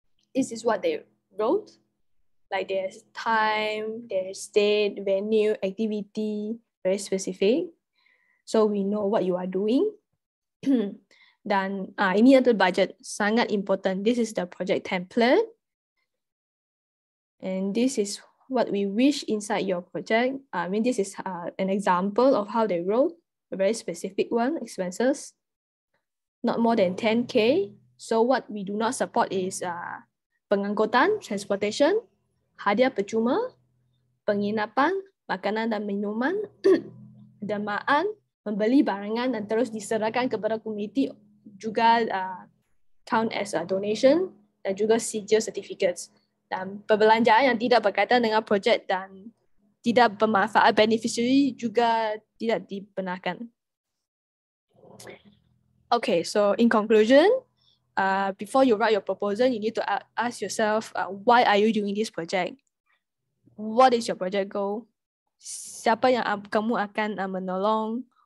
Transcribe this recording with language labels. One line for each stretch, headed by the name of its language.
English: This is what they wrote. Like there's time, there's date, venue, activity, very specific. So we know what you are doing.
Malay: Dan ini adalah budget, sangat important.
English: This is the project template. And this is what we wish inside your project. I mean, this is an example of how they wrote, a very specific one, expenses. Not more than 10K. So what we do not support is
Malay: pengangkutan, transportation, hadiah percuma, penginapan, makanan dan minuman, demaan, membeli barangan dan terus diserahkan kepada komuniti, juga
English: count as a donation,
Malay: dan juga sijil certificates. Dan perbelanjaan yang tidak berkaitan dengan projek dan tidak bermanfaat beneficiary juga tidak dibenarkan.
English: Okay, so in conclusion, before you write your proposal, you need to ask yourself, why are you doing this project? What is your project goal?
Malay: Siapa yang kamu akan menolong?